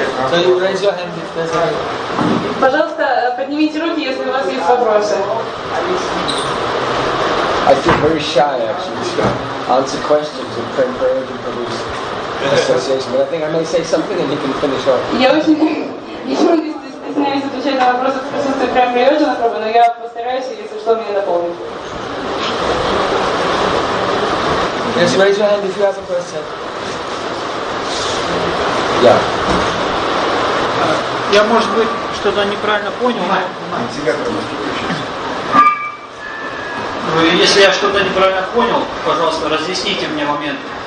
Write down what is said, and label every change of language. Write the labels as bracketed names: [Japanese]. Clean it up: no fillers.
[English] So you raise your hand if there's any. [Russian] Пожалуйста, поднимите руки, если у вас есть вопросы. [English] I feel very shy actually to answer questions and pray for the Prabhu's association, but I think I may say something and he can finish off. [Russian] Я очень стесняюсь отвечать на вопросы в присутствии прям приезжего Прабху, но я постараюсь, если что, меня дополнить. [English] Yes, raise your hand if you have a question. Yeah. [Russian] Я, может быть, что-то неправильно понял, но... Если я что-то неправильно понял, пожалуйста, разъясните мне момент.